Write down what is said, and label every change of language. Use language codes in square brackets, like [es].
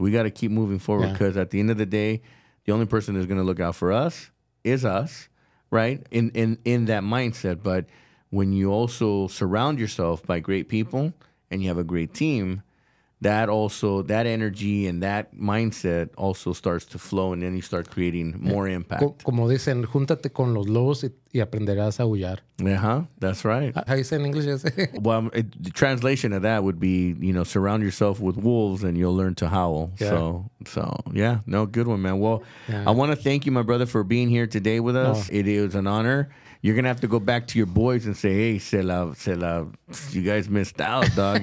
[en] We got to keep moving forward because at the end of the day, the only person that's going to look out for us is us, right? In that mindset. But when you also surround yourself by great people and you have a great team, that energy and that mindset also starts to flow and then you start creating more impact. [es] Como dicen, júntate con los lobos y aprenderás a huyar. [en] Uh-huh. That's right. How you say in English? Well, the translation of that would be, you know, surround yourself with wolves and you'll learn to howl. Yeah. So yeah, no, good one, man. Well, yeah. I want to thank you, my brother, for being here today with us. Oh. It is an honor. You're going to have to go back to your boys and say, hey, se la, you guys missed out, dog.